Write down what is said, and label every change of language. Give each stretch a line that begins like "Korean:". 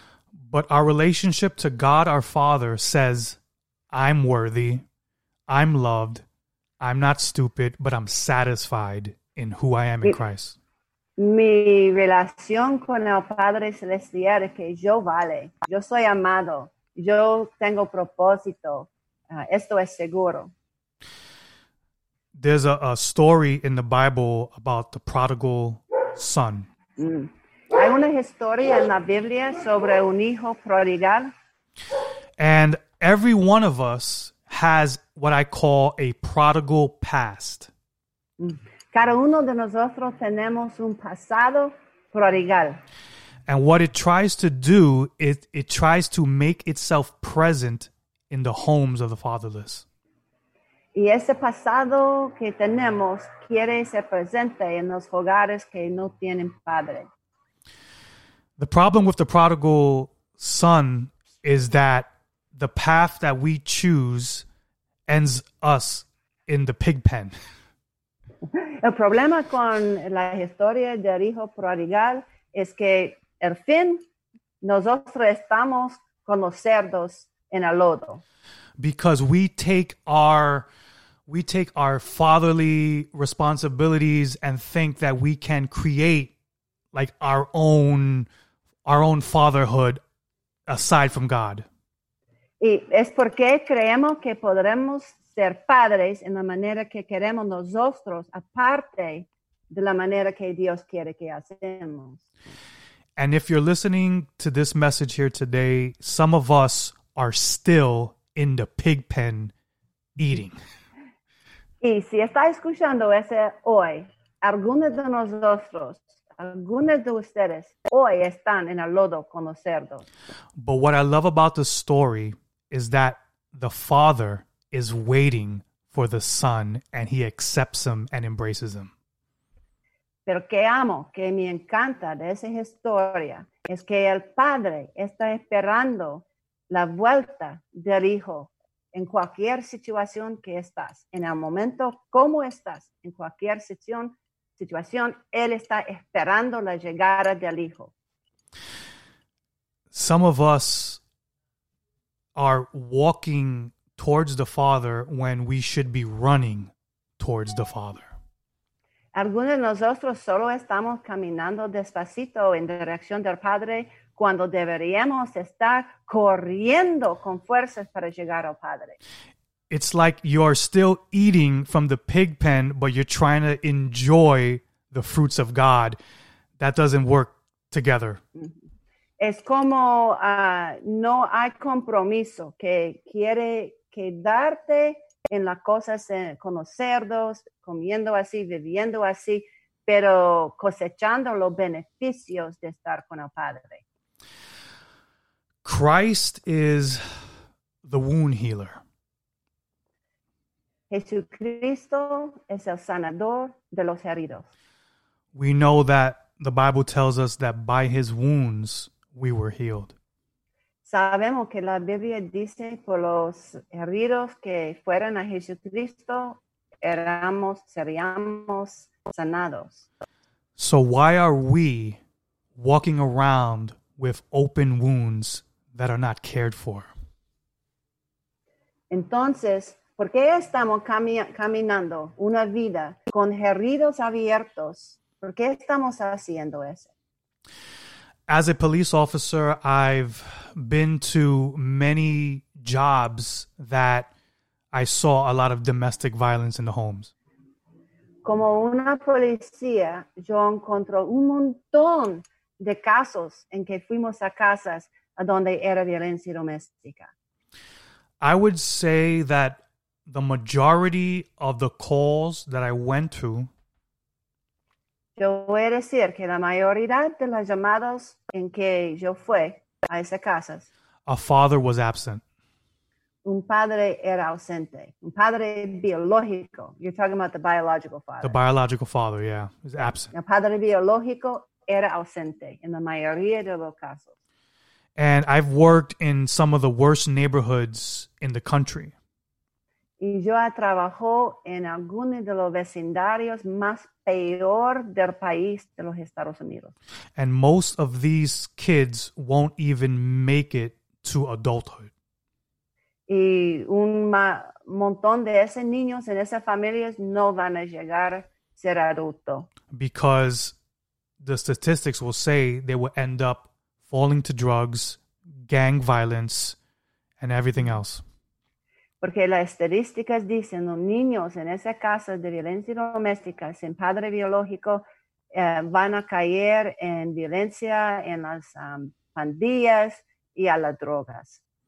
English: But our relationship to God, our Father, says, I'm worthy, I'm loved, I'm not stupid, but I'm satisfied in who I am in Christ.
Spanish: Mi relación con el Padre Celestial es que yo vale, yo soy amado, yo tengo propósito, esto es seguro.
English: There's a story in the Bible about the prodigal son.
Spanish: Hay una historia en la Biblia sobre un hijo prodigal.
English: And every one of us has what I call a prodigal past.
Spanish: Cada uno de nosotros tenemos un pasado prodigal.
English: And what it tries to do, it tries to make itself present in the homes of the fatherless.
Spanish: Y ese pasado que tenemos quiere ser presente en los hogares que no tienen padre.
English: The problem with the prodigal son is that the path that we choose ends us in the pig pen.
Spanish: El problema con la historia del hijo prodigal es que al fin nosotros estamos con los cerdos en el lodo.
English: Because we take our fatherly responsibilities and think that we can create like our own fatherhood aside from God.
Spanish: Y es porque creemos que podremos ser padres en la manera que queremos nosotros, aparte de la manera que Dios quiere que hacemos.
English: And if you're listening to this message here today, some of us are still in the pig pen eating.
Spanish: Y si está escuchando ese hoy, algunos de nosotros, algunos de ustedes hoy están en el lodo con los cerdos.
English: But what I love about the story is that the father is waiting for the son and he accepts him and embraces him.
Spanish: Pero que amo, que me encanta de esa historia es que el padre está esperando la vuelta del hijo en cualquier situación que estás. En el momento como estás, en cualquier situación, él está esperando la llegada del hijo.
English: Some of us are walking towards the Father when we should be running towards the Father.
Spanish: Algunos de nosotros solo estamos caminando despacito en dirección del Padre cuando deberíamos estar corriendo con fuerzas para llegar al Padre.
English: It's like you're still eating from the pig pen, but you're trying to enjoy the fruits of God. That doesn't work together.
Spanish: Es como no hay compromiso que quiere quedarte en las cosas con los cerdos, comiendo así, viviendo así, pero cosechando los beneficios de estar con el Padre.
English: Christ is the wound healer.
Spanish: Jesucristo es el sanador de los heridos.
English: We know that the Bible tells us that by his wounds we were healed.
Spanish: Sabemos que la Biblia dice por los heridos que fueron a Jesucristo seríamos sanados.
English: So why are we walking around with open wounds that are not cared for?
Spanish: Entonces, ¿por qué estamos caminando una vida con heridos abiertos? ¿Por qué estamos haciendo eso?
English: As a police officer, I've been to many jobs that I saw a lot of domestic violence in the homes.
Spanish: Como una policía, yo encontré un montón de casos en que fuimos a casas a donde era violencia doméstica.
English: I would say that the majority of the calls that I went to,
Spanish: yo voy a decir que la mayoría de las llamadas en que yo fui a esas casas,
English: a father was absent.
Spanish: Un padre era ausente. Un padre biológico.
English: You're talking about the biological father. The biological father, yeah. Is absent.
Spanish: El padre biológico era ausente en la mayoría de los casos.
English: And I've worked in some of the worst neighborhoods in the country.
Spanish: Y yo he trabajado en algunos de los vecindarios más peor del país de los Estados Unidos.
English: And most of these kids won't even make it to adulthood.
Spanish: Y un montón de esos niños en esas familias no van a llegar a ser adulto.
English: Because the statistics will say they will end up falling to drugs, gang violence, and everything else.
Spanish: Porque las estadísticas dicen los niños en esa casa de violencia doméstica sin padre biológico van a caer en violencia, en las pandillas y a las drogas.